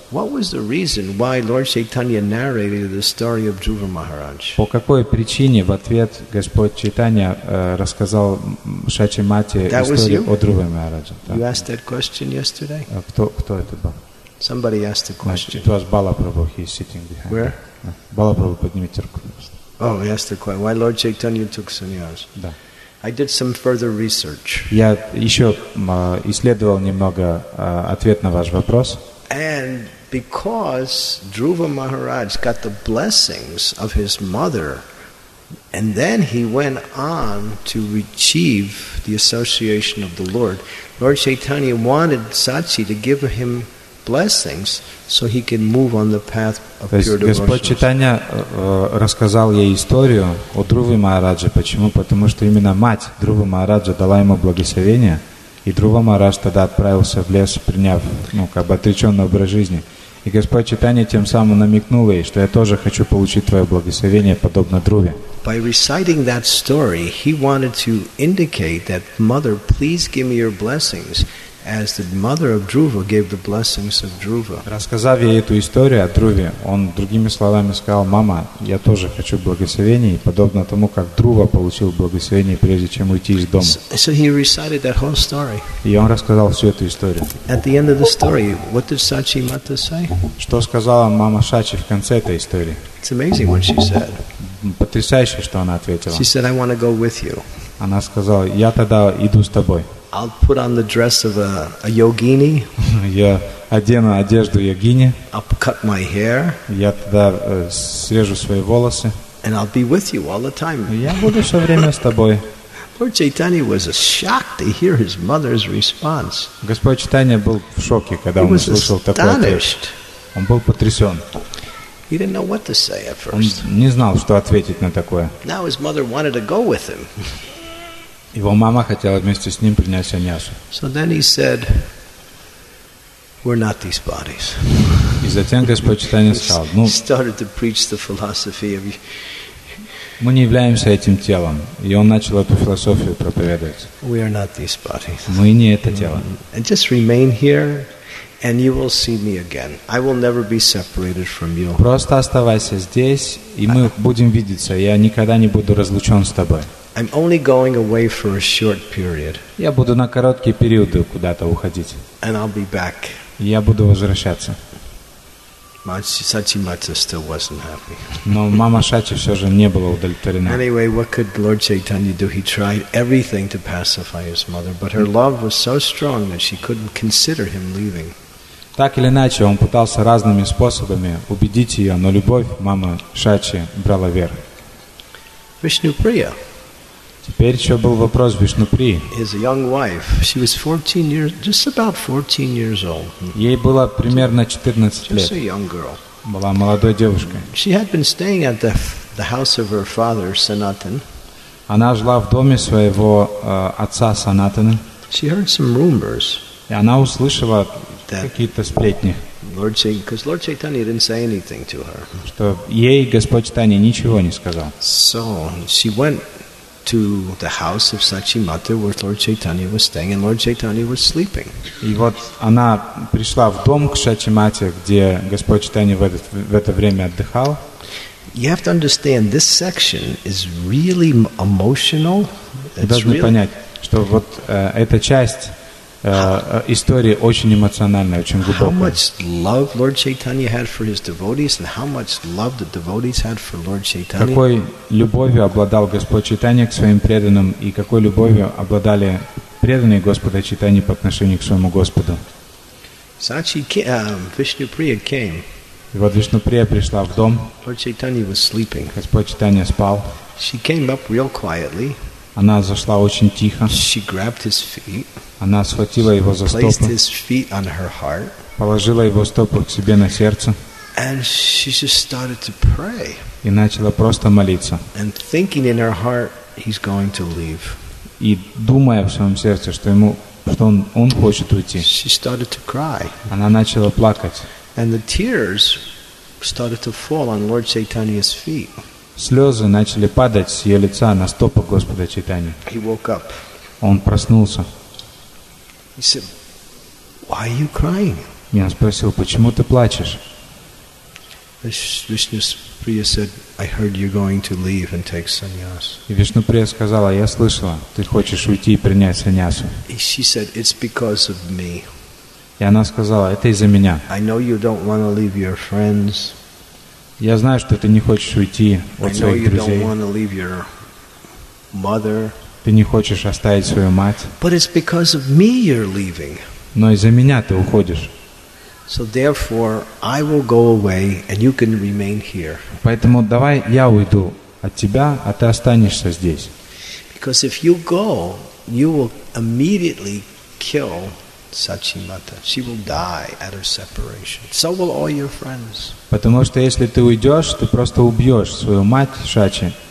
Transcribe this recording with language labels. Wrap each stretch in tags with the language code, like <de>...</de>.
<en>What was the reason why Lord Chaitanya narrated the story of Dhruva Maharaj?</en> <ru>По какой причине в ответ Господь Чайтанья рассказал Шачи Мати историю о Дхруве Махарадже?</ru> <en>You asked that question yesterday?</en> <ru>Кто это был?</ru> <en>Somebody asked the question. It was Balaprabhu, he's sitting behind. Where?</en> <ru>Balaprabhu, поднимите руку.</ru> <en>Oh, he asked the question. Why Lord Chaitanya took sannyas?</en> <ru>Да.</ru> <en>I did some further research.</en> <ru>Я еще исследовал немного ответ на ваш вопрос.</ru> <en>And because Dhruva Maharaj got the blessings of his mother, and then he went on to achieve the association of the Lord, Lord Chaitanya wanted Sachi to give him blessings so he can move on the path of pure devotion.</en> <ru>Господь Чайтанья рассказал ей историю о Друве Махарадже. Почему? Потому что именно мать Друвы Махараджа дала ему благословение, и Друва Махарадж тогда отправился в лес, приняв отреченный образ жизни. И Господь Чайтанья тем самым намекнул ей, что я тоже хочу получить твое благословение, подобно Друве.</ru> <en>By reciting that story, he wanted to indicate that mother, please give me your blessings. As the mother of Dhruva gave the blessings of Dhruva.</en> <ru>Рассказав ей эту историю о Друве, он другими словами сказал: "Мама, я тоже хочу благословений, подобно тому, как Друва получил благословение, прежде чем уйти из дома."</ru> <en>So he recited that whole story.</en> <ru>И он рассказал всю эту историю.</ru> <en>At the end of the story, what did Sachi Mata say?</en> <ru>Что сказала мама Шачи в конце этой истории?</ru> <en>It's amazing what she said.</en> <ru>Потрясающе, что она ответила.</ru> <en>She said, "I want to go with you."</en> <ru>Она сказала: "Я тогда иду с тобой."</ru> <en>I'll put on the dress of a yogini.</en> <ru>Я одену одежду йогини.</ru> <en>I'll cut my hair.</en> <ru>Я тогда срежу свои волосы.</ru> <en>And I'll be with you all the time.</en> <ru>Я буду все время с тобой.</ru> <en>Lord Chaitanya was shocked to hear his mother's response.</en> <ru>Господь Чайтанья был в шоке, когда он услышал такой ответ. Он был потрясен.</ru> <en>He didn't know what to say at first.</en> <ru>Он не знал, что ответить на такое.</ru> <en>Now his mother wanted to go with him.</en> <ru>Его мама хотела вместе с ним принять саньясу.</ru> <en>So then he said, "We're not these bodies."</en> <ru>И затем Господь Чайтанья сказал: "Ну,</ru> <en>started to preach the philosophy of</en> <ru>мы не являемся этим телом." И он начал эту философию проповедовать.</ru> <en>We are not these bodies.</en> <ru>Мы не это тело.</ru> <en>And just remain here, and you will see me again. I will never be separated from you.</en> <ru>Просто оставайся здесь, и мы будем видеться. Я никогда не буду разлучен с тобой.</ru> <en>I'm only going away for a short period.</en> <ru>Я буду на короткие периоды куда-то уходить.</ru> <en>And I'll be back.</en> <ru>Я буду возвращаться.</ru> <en>Сатимата still wasn't happy.</en> <ru>Но мама Шачи все же не была удовлетворена.</ru> <en>Anyway, what could Lord Chaitanya do? He tried everything to pacify his mother, but her love was so strong that she couldn't consider him leaving.</en> <ru>Так или иначе, он пытался разными способами убедить ее, но любовь мамы Шачи брала верх. Вишнуприя. Теперь еще был вопрос Вишнуприи.</ru> <en>His young wife, she was 14 years, just about 14 years old.</en> <ru>Ей было примерно 14 лет.</ru> <en>Just a young girl.</en> <ru>Была молодой девушкой.</ru> <en>She had been staying at the house of her father, Sanatan.</en> <ru>Она жила в доме своего отца Санатана.</ru> <en>She heard some rumors.</en> <ru>И она услышала какие-то сплетни.</ru> <en>Because Lord Chaitanya didn't say anything to her.</en> <ru>Что ей Господь Чайтанья ничего не сказал.</ru> <en>So she went to the house of Сатимата, where Lord Chaitanya was staying, and Lord Chaitanya was sleeping.</en> <ru>И вот она пришла в дом к Сатимате, где Господь Чайтанья в это время отдыхал.</ru> <en>You have to understand this section is really emotional.</en> <ru>Должны понять, что вот эта часть. История очень эмоциональная, очень глубокая.</ru> <en>How much love Lord Chaitanya had for his devotees, and how much love the devotees had for Lord Chaitanya.</en> <ru>Какой любовью обладал Господь Чайтанья к своим преданным, и какой любовью обладали преданные Господа Чайтанья по отношению к своему Господу.</ru> <en>Вишнуприя came.</en> <ru>И вот Вишнуприя пришла в дом.</ru> <en>Lord Chaitanya was sleeping.</en> <ru>Господь Чайтанья спал.</ru> <en>She came up real quietly.</en> <ru>Она зашла очень тихо.</ru> <en>She grabbed his feet.</en> <ru>Она схватила его за стопы.</ru> <en>Placed his feet on her heart.</en> <ru>Положила его стопы к себе на сердце.</ru> <en>And she just started to pray.</en> <ru>И начала просто молиться.</ru> <en>And thinking in her heart, he's going to leave.</en> <ru>И думая в своем сердце, что он хочет уйти.</ru> <en>She started to cry.</en> <ru>Она начала плакать.</ru> <en>And the tears started to fall on Lord Chaitanya's feet.</en> <ru>Слезы начали падать с ее лица на стопы Господа Чайтаньи.</ru> <en>He woke up.</en> <ru>Он проснулся.</ru> <en>He said, "Why are you crying?"</en> <ru>Я спросил, почему ты плачешь?</ru> <en>Вишнуприя said, "I heard you're going to leave and take sannyas."</en> <ru>И Вишнуприя сказала, я слышала, ты хочешь уйти и принять саньясу.</ru> <en>She said, "It's because of me."</en> <ru>И она сказала, это из-за меня.</ru> <en>I know you don't want to leave your friends.</en> <ru>Я знаю, что ты не хочешь уйти от своих друзей.</ru> <en>I know you don't want to leave your mother.</en> <ru>Ты не хочешь оставить свою мать.</ru> <en>But it's because of me you're leaving.</en> <ru>Но из-за меня ты уходишь.</ru> <en>So therefore, I will go away, and you can remain here.</en> <ru>Поэтому давай я уйду от тебя, а ты останешься здесь.</ru> <en>Because if you go, you will immediately kill Сатимата. She will die at her separation. So will all your friends.</en> <ru>Потому что если ты уйдешь, ты просто убьешь свою мать Шачи.</ru>